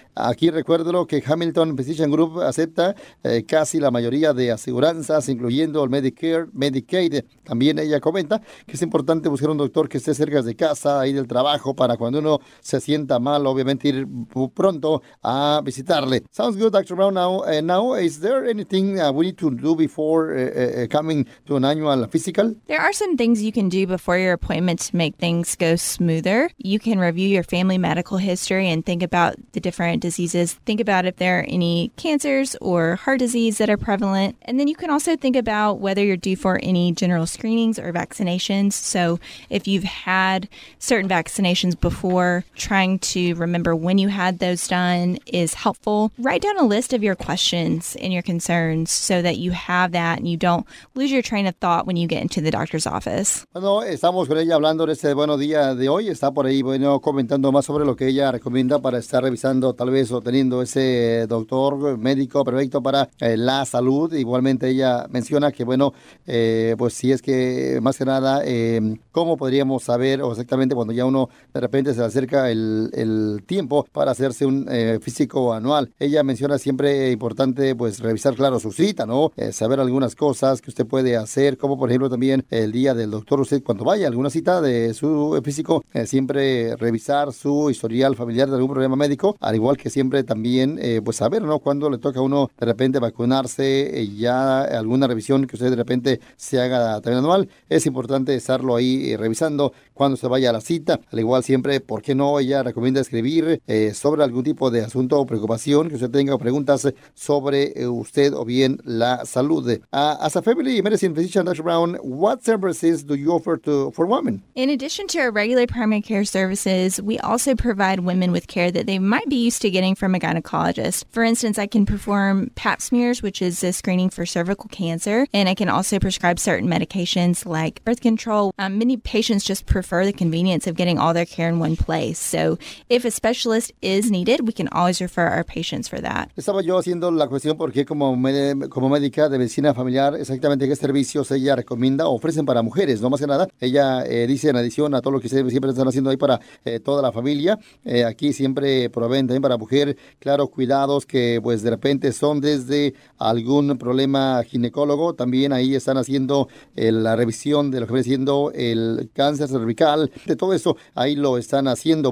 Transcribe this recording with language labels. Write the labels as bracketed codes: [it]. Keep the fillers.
[es] Aquí recuérdelo que Hamilton Physician Group acepta eh, casi la mayoría de aseguranzas, incluyendo el Medicare, Medicaid. También ella comenta que es importante buscar un doctor que esté cerca de casa, ahí del trabajo, para cuando uno se sienta mal, obviamente ir pu- pronto a visitarle. [en] Sounds good, Dr. Brown. Now, eh, now is there anything uh, we need to do before eh, eh, coming to an annual physical? There are some things you can do before your appointment to make things go smoother. You can review your family medical history and think about the different diseases. Think about if there are any cancers or heart disease that are prevalent. And then you can also think about whether you're due for any general screenings or vaccinations. So if you've had certain vaccinations before, trying to remember when you had those done is helpful. Write down a list of your questions and your concerns so that you have that and you don't lose your train of thought when you get into the doctor's office. [es] Bueno, estamos con ella hablando de este bueno día de hoy. Está por ahí, bueno, comentando más sobre lo que ella recomienda para estar revisando, tal vez, o teniendo ese doctor médico perfecto para eh, la salud. Igualmente, ella menciona que, bueno, eh, pues si es que, más que nada, eh, ¿cómo podríamos saber o exactamente cuando ya uno de repente se le acerca el, el tiempo para hacerse un eh, físico anual? Ella menciona siempre importante, pues, revisar, claro, su cita, ¿no? Eh, saber algunas cosas que usted puede hacer, como por ejemplo también el día del doctor, usted cuando vaya a alguna cita de su físico, eh, siempre revisar su historial familiar de algún problema médico, al igual que siempre también, eh, pues saber, ¿no? Cuando le toca a uno de repente vacunarse, eh, ya alguna revisión que usted de repente se haga también anual, es importante estarlo ahí eh, revisando cuando se vaya a la cita, al igual siempre, ¿por qué no? Ella recomienda escribir eh, sobre algún tipo de asunto o preocupación que usted tenga o preguntas sobre eh, usted o bien la salud. [en] Ah, as a family medicine physician, Dr. Brown, what services do you offer to, for women? In addition to our regular primary care services, we also provide women with care that they might be used to getting from a gynecologist. For instance, I can perform pap smears, which is a screening for cervical cancer, and I can also prescribe certain medications like birth control. Um, many patients just prefer the convenience of getting all their care in one place. So, if a specialist is needed, we can always refer our patients for that. [es] Estaba yo haciendo la cuestión porque como, med- como médica de medicina familiar, exactamente qué servicios ella recomienda o ofrecen para mujeres, no más que nada. Ella eh, dice en adición a todo lo que ustedes siempre están haciendo ahí para eh, toda la familia, eh, aquí siempre proveen también para mujer, claro, cuidados que pues de repente son desde algún problema ginecólogo, también ahí están haciendo eh, la revisión de lo que viene siendo el cáncer cervical, de todo eso, ahí lo están haciendo.